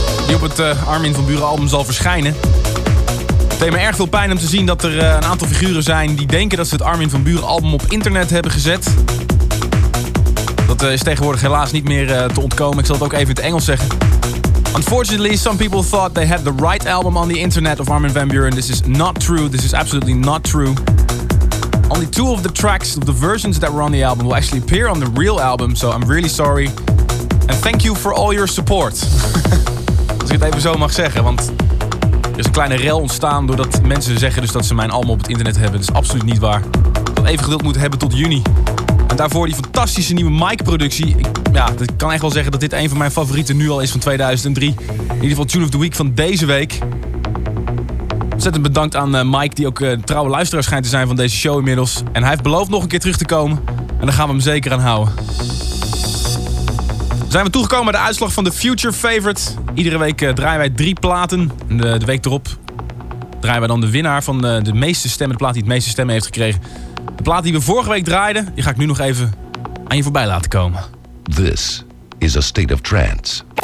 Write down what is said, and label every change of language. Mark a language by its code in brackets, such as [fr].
[nl] Die op het Armin van Buuren album zal verschijnen. Het deed me erg veel pijn om te zien dat er een aantal figuren zijn die denken dat ze het Armin van Buuren album op internet hebben gezet. Dat is tegenwoordig helaas niet meer te ontkomen. Ik zal het ook even in het Engels zeggen. [en] Unfortunately, some people thought they had the right album on the internet of Armin van Buuren. This is not true. This is absolutely not true. Only two of the tracks of the versions that were on the album will actually appear on the real album. So I'm really sorry. And thank you for all your support. [nl] Als ik het even zo mag zeggen, want er is een kleine rel ontstaan doordat mensen zeggen dus dat ze mijn album op het internet hebben. Dat is absoluut niet waar. Ik had even geduld moeten hebben tot juni. En daarvoor die fantastische nieuwe mic-productie. Ja, ik kan echt wel zeggen dat dit een van mijn favorieten nu al is van 2003. In ieder geval Tune of the Week van deze week. Ontzettend bedankt aan Mike, die ook een trouwe luisteraar schijnt te zijn van deze show inmiddels. En hij heeft beloofd nog een keer terug te komen. En daar gaan we hem zeker aan houden. Zijn we toegekomen bij de uitslag van de Future Favorite. Iedere week draaien wij 3 platen. De week erop draaien wij dan de winnaar van de meeste stemmen. De plaat die het meeste stemmen heeft gekregen. De plaat die we vorige week draaiden, die ga ik nu nog even aan je voorbij laten komen. [en] This is a state of trance.